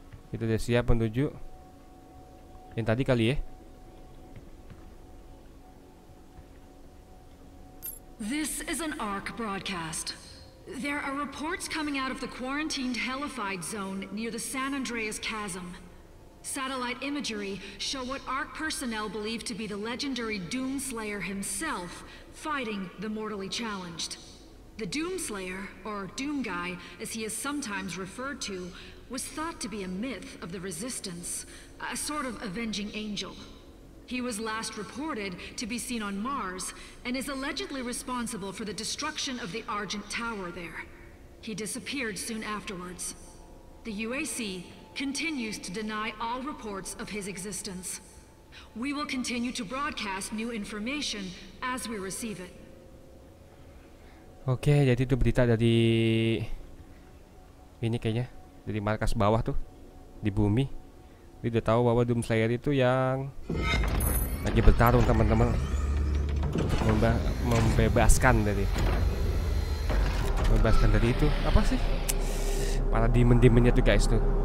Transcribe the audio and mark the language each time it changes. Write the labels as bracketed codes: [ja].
[id] Kita udah siap menuju yang tadi kali ya. [en] This is an ARC broadcast. There are reports coming out of the quarantined hellified zone near the San Andreas Chasm. Satellite imagery show what ARC personnel believe to be the legendary Doomslayer himself fighting the mortally challenged. The Doomslayer, or Doom Guy, as he is sometimes referred to, was thought to be a myth of the Resistance, a sort of avenging angel. He was last reported to be seen on Mars, and is allegedly responsible for the destruction of the Argent Tower there. He disappeared soon afterwards. The UAC continues to deny all reports of his existence. We will continue to broadcast new information as we receive it. [id] Oke, jadi itu berita dari... Ini kayaknya, dari markas bawah tuh, di bumi. Dia udah tahu bahwa Doomslayer itu yang lagi bertarung teman-teman, membebaskan dari itu apa sih para demon-demonnya tuh guys tuh.